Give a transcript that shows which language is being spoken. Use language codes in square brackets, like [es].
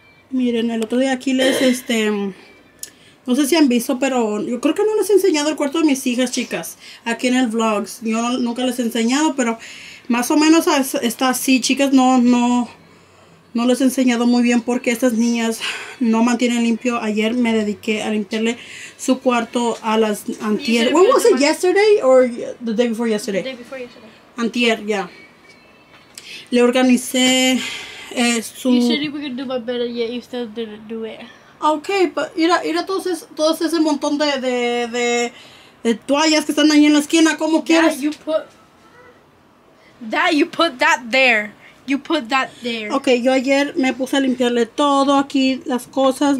[es] Miren, el otro día aquí les, no sé si han visto, pero yo creo que no les he enseñado el cuarto de mis hijas, chicas, aquí en el vlogs. Yo nunca les he enseñado, pero más o menos está así, chicas. No les he enseñado muy bien porque estas niñas no mantienen limpio. Ayer me dediqué a limpiarle su cuarto a las antier. [en] ¿When was it? ¿Yesterday or the day before yesterday? The day before yesterday. [es] Antier, ya. Le organicé su... [en] You said you were going to do my bed, yet you still didn't do it. [es] Okay, but ir a todo ese montón de toallas que están ahí en la esquina, como quieras. [en] You put that there. You put that there. [es] Okay, yo ayer me puse a limpiarle todo aquí, las cosas.